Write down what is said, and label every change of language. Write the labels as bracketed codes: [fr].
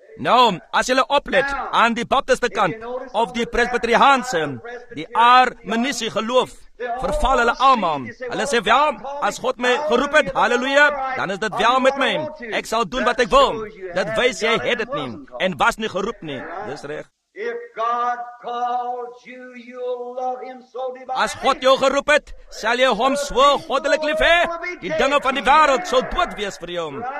[af] Nou, as jy oplet aan die baptiste kant, of die presbyterianse, die arminiese geloof, verval hulle allemaal. Hulle sê, wel, as God my geroep het, halleluja, dan is dit wel met my. Ek sal doen wat ek wil. Dit wys jy het dit nie, en was nie geroep nie. Dis reg. [en] If God calls you, you'll love him so divinely. [af] As God jou geroep het, sal jy hom so goddelik lief hê. Die dinge van die wêreld sal dood wees vir jou.